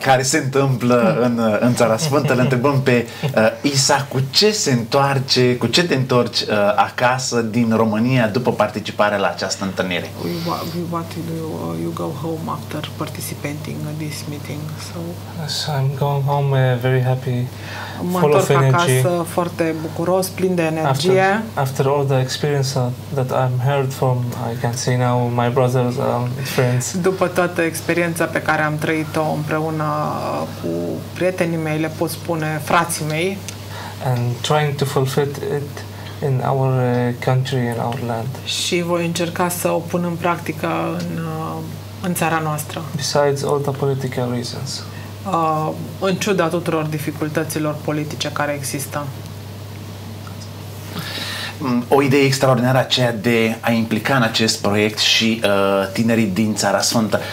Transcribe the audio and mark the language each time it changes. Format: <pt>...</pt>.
<ro>care se întâmplă în Țara Sfântă. Le întrebăm pe Isa cu ce te întorci acasă din România după participarea la această întâlnire.</ro> <en>What do you go home after participating in this meeting? So I'm going home very happy, full of</en> <ro>energy. Mă întorc acasă foarte bucuros, plin de energie.</ro> <en>After all the experience that I'm heard from, I can see now my brothers and friends.</en> <ro>După toată experiența pe care am trăit-o împreună cu prietenii mei, le pot spune frații mei.</ro> <en>And trying to fulfill it in our country and our land.</en> <ro>Și voi încerca să o pun în practică în țara noastră.</ro> <en>Besides all the political reasons.</en> <ro>În ciuda tuturor dificultăților politice care există. O idee extraordinară aceea de a implica în acest proiect și tinerii din Țara Sfântă.</ro>